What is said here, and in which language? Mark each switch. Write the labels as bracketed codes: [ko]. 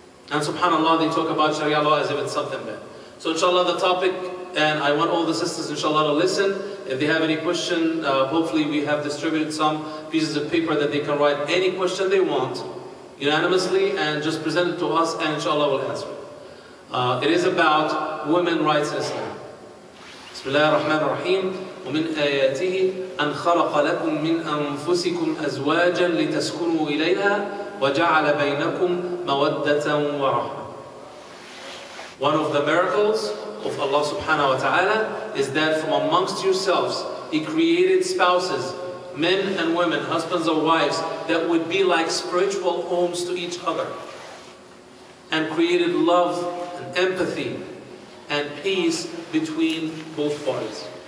[en] And subhanAllah, they talk about Sharia law as if it's something bad. So inshallah, the topic, and I want all the sisters inshallah to listen. If they have any question, hopefully we have distributed some pieces of paper that they can write any question they want unanimously and just present it to us, and inshallah we'll answer it. It is about women rights in Islam. [ar] Bismillah ar-Rahman ar-Rahim. ومن آياته أن خلق لكم من أنفسكم أزواجا لتسكنوا إليها وجعل بينكم مودة ورحمة. [en] One of the miracles of Allah subhanahu wa ta'ala is that from amongst yourselves He created spouses, men and women, husbands and wives, that would be like spiritual homes to each other, and created love and empathy and peace between both parties.